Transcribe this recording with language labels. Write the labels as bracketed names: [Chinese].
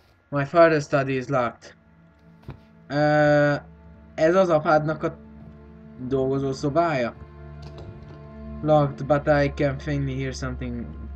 [English] My father's study is locked. [Hungarian] Ez az apádnak a dolgozó szobája? [English] Locked, but I can faintly hear something.